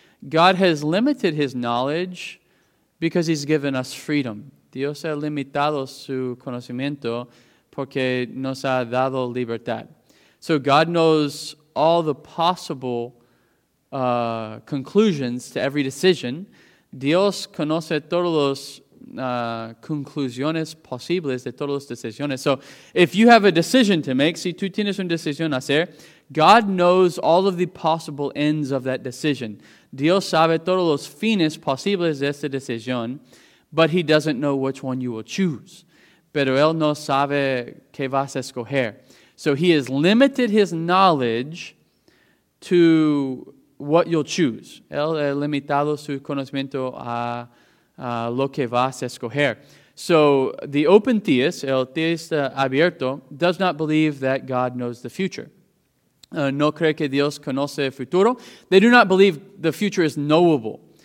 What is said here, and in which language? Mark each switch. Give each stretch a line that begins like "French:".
English: God has limited his knowledge because he's given us freedom.
Spanish: Dios ha limitado su conocimiento porque nos ha dado libertad.
English: So, God knows all the possible conclusions to every decision.
Spanish: Dios conoce todos los conclusiones posibles de todas las decisiones.
English: So, if you have a decision to make,
Spanish: si tú tienes una decisión a hacer,
English: God knows all of the possible ends of that decision.
Spanish: Dios sabe todos los fines posibles de esta decisión,
English: but he doesn't know which one you will choose.
Spanish: Pero él no sabe qué vas a escoger.
English: So, he has limited his knowledge to what you'll choose.
Spanish: Él ha limitado su conocimiento a lo que vas a escoger.
English: So, the open theist,
Spanish: el teísta abierto,
English: does not believe that God knows the future.
Spanish: No cree que Dios conoce el futuro.
English: They do not believe the future is knowable.